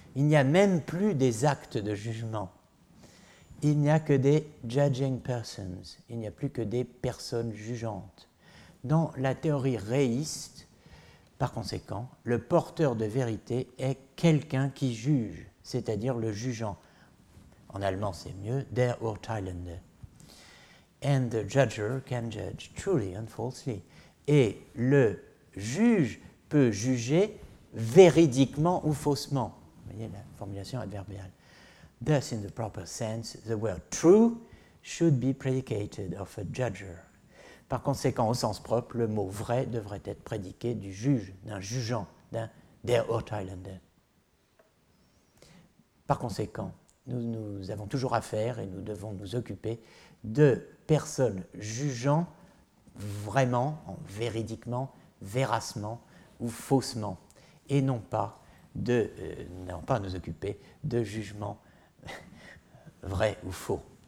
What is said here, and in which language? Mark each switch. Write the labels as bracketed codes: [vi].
[fr] Il n'y a même plus des actes de jugement. Il n'y a que des [en] judging persons. [fr] Il n'y a plus que des personnes jugeantes. Dans la théorie réiste, par conséquent, le porteur de vérité est quelqu'un qui juge, c'est-à-dire le jugeant. En allemand, c'est mieux, [de] der Urteilende. [en] And the judger can judge truly and falsely. [fr] Et le juge peut juger véridiquement ou faussement. Vous voyez la formulation adverbiale. [en] Thus, in the proper sense, the word true should be predicated of a judger. [fr] Par conséquent, au sens propre, le mot vrai devrait être prédiqué du juge, d'un jugeant, d'un [de] der Urteilende. [fr] Par conséquent, nous avons toujours affaire et nous devons nous occuper de personnes jugeant vraiment, véridiquement, véracement ou faussement, et non pas à nous occuper de jugements vrais ou faux.